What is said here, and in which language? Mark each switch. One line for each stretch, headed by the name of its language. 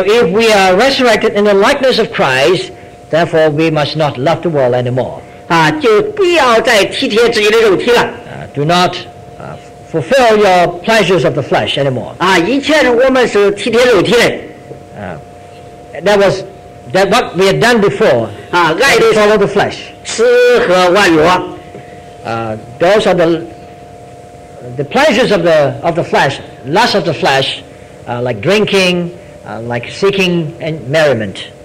English: if we are resurrected in the likeness of Christ, therefore we must not love the world anymore.
Chinese: 就不要再体贴自己的肉体了。
English: Do not fulfill your pleasures of the flesh anymore.
Chinese: 以前我们是体贴肉体的。
English: That was that what we had done before. Follow the flesh.
Chinese: 吃喝玩乐。
English: Those are the pleasures of the flesh, lust of the flesh, like drinking, like seeking and merriment.